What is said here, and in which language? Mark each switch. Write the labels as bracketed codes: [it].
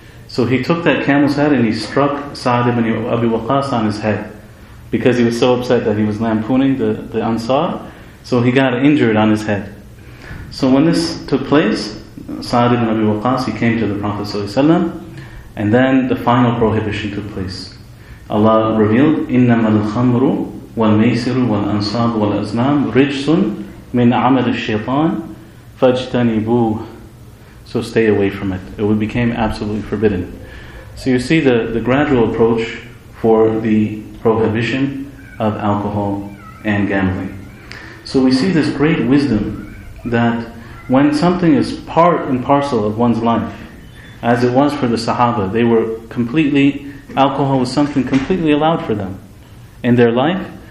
[en] So he took that camel's head and he struck Sa'd ibn Abi Waqas on his head, because he was so upset that he was lampooning the Ansar. So he got injured on his head. So when this took place, Sa'd ibn Abi Waqas, he came to the Prophet ﷺ, and then the final prohibition took place. [ar] Allah revealed, إِنَّمَا الْخَمْرُ وَالْمَيْسِرُ وَالْأَنْصَابُ وَالْأَزْلَامُ رِجْسٌ مِنْ عَمَدِ الشَّيْطَانِ فَاجْتَنِبُوهُ. [en] So stay away from it. It became absolutely forbidden. So you see the gradual approach for the prohibition of alcohol and gambling. So we see this great wisdom that when something is part and parcel of one's life, as it was for the Sahaba, they were completely, alcohol was something completely allowed for them in their life.